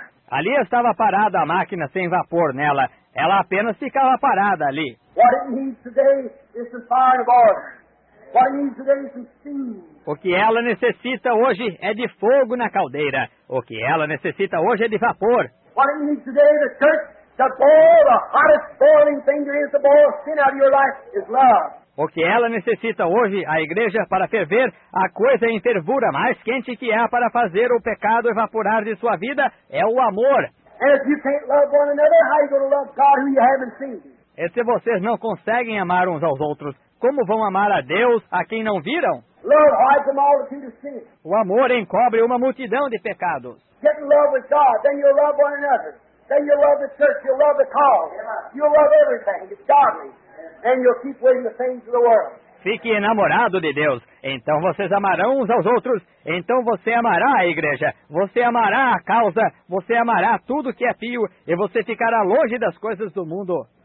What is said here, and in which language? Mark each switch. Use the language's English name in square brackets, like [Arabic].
[Portuguese] Ali estava parada a máquina sem vapor nela. Ela apenas ficava parada ali. [English] What it needs today is some fire and water. What it needs today is some steam. [Portuguese] O que ela necessita hoje é de fogo na caldeira. O que ela necessita hoje é de vapor. [English] What it needs today is a church to boil the hottest boiling thing there is to boil sin out of your life is love. [Portuguese] O que ela necessita hoje, a igreja, para ferver, a coisa em fervura mais quente que há para fazer o pecado evaporar de sua vida, é o amor. [English] And if you can't love one another, how are you going to love God who you haven't seen? [Portuguese] E se vocês não conseguem amar uns aos outros, como vão amar a Deus a quem não viram? [English] Love hides a multitude of sins. [Portuguese] O amor encobre uma multidão de pecados. [English] Get in love with God, then you'll love one another. Then you'll love the church, you'll love the cause. You'll love everything, it's godly. And you'll keep waiting the things of the world. [Portuguese] Fique enamorado de Deus, então vocês amarão uns aos outros, então você amará a igreja, você amará a causa, você amará tudo que é pio, e você ficará longe das coisas do mundo.